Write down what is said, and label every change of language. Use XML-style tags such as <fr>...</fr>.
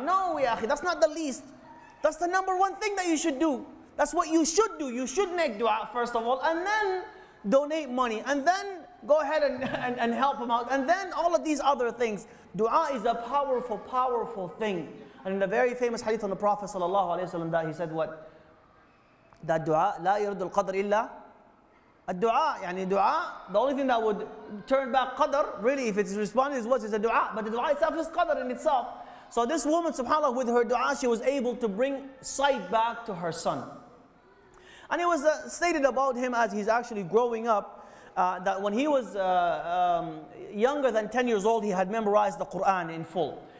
<en>No, yaakhi, that's not the least. That's the number one thing that you should do. That's what you should do. You should make dua first of all, and then donate money, and then go ahead and help him out. And then all of these other things. Dua is a powerful, powerful thing. And in the very famous hadith on the Prophet sallallahu alaihi wasallam, that he said what? That dua,</en> <ar>لا يرد القدر إلا الدعاء. يعني دعاء,</ar> <en>the only thing that would turn back qadr, really, if it's responded, is what? It's a dua. But the dua itself is qadr in itself. So this woman, subhanAllah, with her dua, she was able to bring sight back to her son. And it was stated about him as he's actually growing up, that when he was younger than 10 years old, he had memorized the Quran in full.</en>